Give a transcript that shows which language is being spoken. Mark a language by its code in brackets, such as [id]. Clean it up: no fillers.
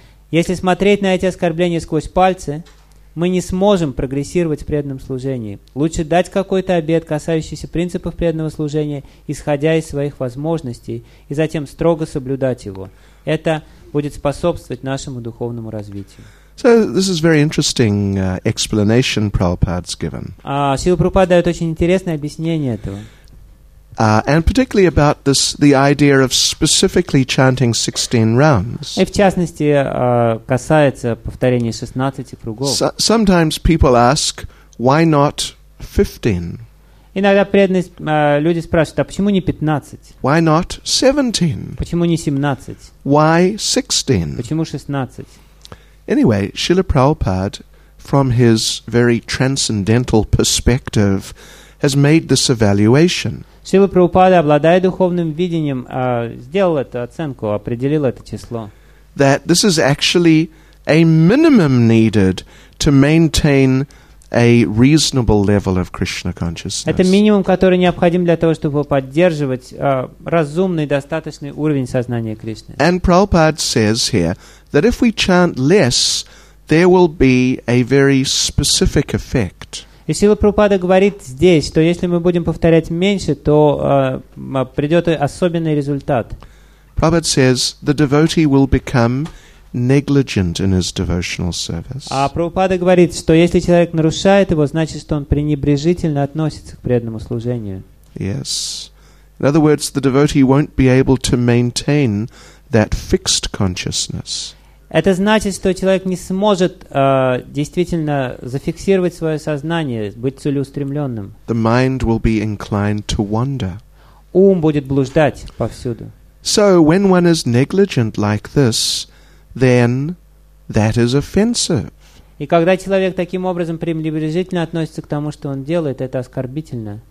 [ru] Если смотреть на эти оскорбления сквозь пальцы, мы не сможем прогрессировать в преданном служении. Лучше дать какой-то обет, касающийся принципов преданного служения, исходя из своих возможностей, и затем строго соблюдать его. Это будет способствовать нашему духовному развитию. [en] So this is very interesting explanation Prabhupada's given. [ru] Шрила Прабхупада дает очень интересное объяснение этого. [en] And particularly about this, the idea of specifically chanting 16 rounds. [ru] И в частности, касается повторения 16 кругов. [en] Sometimes people ask, why not 15? [ru] Иногда преданные люди спрашивают, а почему не 15? [en] Why not 17? [ru] Почему не 17? [en] Why 16? [ru] Почему 16? [en] Anyway, Srila Prabhupada, from his very transcendental perspective, has made this evaluation. [ru] Шрила Прабхупада, обладая духовным видением, сделал эту оценку, определил это число. [en] That this is actually a minimum needed to maintain a reasonable level of Krishna consciousness. [ru] Это минимум, который необходим для того, чтобы поддерживать разумный, достаточный уровень сознания Кришны. [en] And Prabhupada says here that if we chant less, there will be a very specific effect. [ru] И Шрила Прабхупада говорит здесь, что если мы будем повторять меньше, то придет особенный результат. [en] Prabhupada says the devotee will become negligent in his devotional service. [ru] А Прабхупада говорит, что если человек нарушает его, значит, что он пренебрежительно относится к преданному служению. [en] Yes. In other words, the devotee won't be able to maintain that fixed consciousness. [ru] Это значит, что человек не сможет действительно зафиксировать свое сознание, быть целеустремленным. [en] The mind will be inclined to wander. [ru] Ум будет блуждать повсюду. [en] So when one is negligent like this, then that is offensive. [ru] И когда человек таким образом пренебрежительно относится к тому, что он делает, это оскорбительно.